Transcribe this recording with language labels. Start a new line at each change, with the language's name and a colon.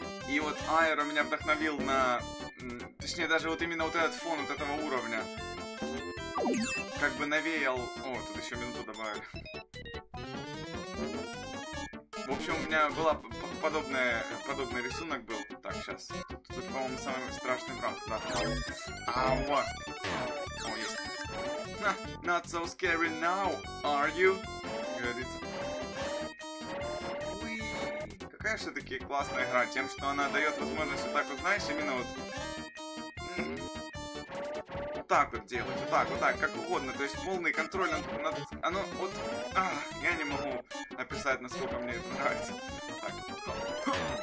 Russian: И вот Айр меня вдохновил на... Точнее, даже вот именно вот этот фон вот этого уровня. Как бы навеял... О, тут еще минуту добавили. В общем, у меня была подобный рисунок был. Так, сейчас. Тут, по-моему, самый страшный брат. Да. Ауа! О, есть.
English: Ха, not so scary now, are you?
Russian: Говорится. Какая все-таки классная игра, тем, что она дает возможность вот так вот, знаешь, именно вот... Вот так вот делать, вот так, как угодно, то есть полный контроль над... Оно вот... Ах, я не могу описать, насколько мне это нравится. Так.